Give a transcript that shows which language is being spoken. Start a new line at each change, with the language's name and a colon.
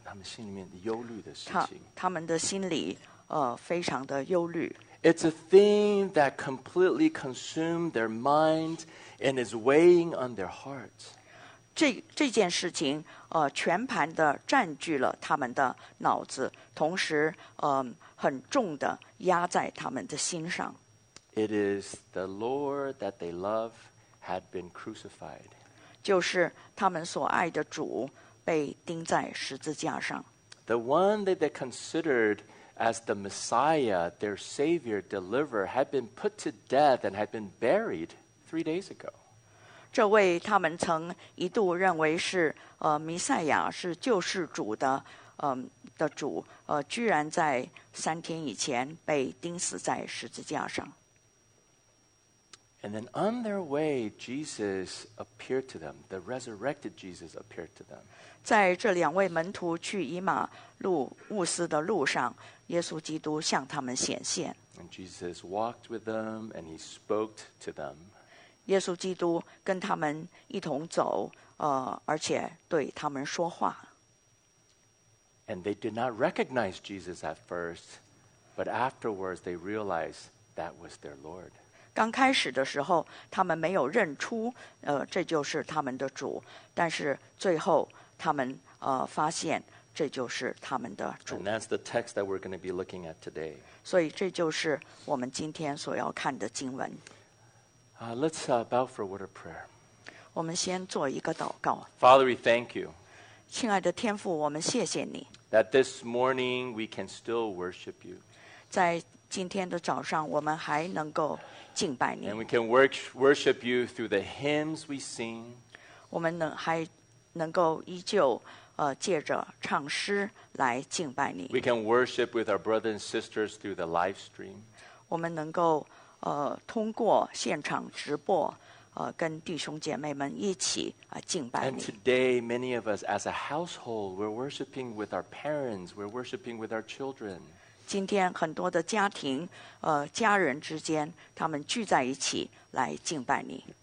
Chinese: 他们心里面忧虑的事情。他们的心里非常的忧虑。
English: It's a thing that completely consumed their mind and is weighing on their heart.
Chinese: 这件事情全盘的占据了他们的脑子，同时很重的压在他们的心上。
English: It is the Lord that they love had been crucified.
Chinese: 就是他们所爱的主被钉在十字架上。
English: The one that they considered as the Messiah, their Savior, Deliverer, had been put to death and had been buried 3 days ago.
Chinese: 这位他们曾一度认为是弥赛亚，是救世主的的主，居然在三天以前被钉死在十字架上。
English: And then on their way, Jesus appeared to them. The resurrected Jesus appeared to them.
Chinese: 在这两位门徒去以马忤斯的路上，耶稣基督向他们显现。
English: And Jesus walked with them and he spoke to them.
Chinese: 耶稣基督跟他们一同走，而且对他们说话。
English: And they did not recognize Jesus at first, but afterwards they realized that was their Lord.
Chinese: 刚开始的时候，他们没有认出，这就是他们的主，但是最后他们发现这就是他们的主。
English: And that's the text that we're going to be looking at today.
Chinese: 所以这就是我们今天所要看的经文。
English: Let's bow for a word of prayer.
Chinese: 我们先做一个祷告。
English: Father, we thank you.
Chinese: 亲爱的天父，我们谢谢你。
English: That this morning we can still worship you.
Chinese: 在今天的早上，我们还能够敬拜你。
English: And we can worship you through the hymns we sing.
Chinese: 我们还能够依旧借着唱诗来敬拜你。
English: We can worship with our brothers and sisters through the live stream.
Chinese: 我们能够通过现场直播跟弟兄姐妹们一起敬拜你。
English: And today, many of us as a household, we're worshiping with our parents, we're worshiping with our children.
Chinese: 今天很多的家庭家人之间，他们聚在一起来敬拜你。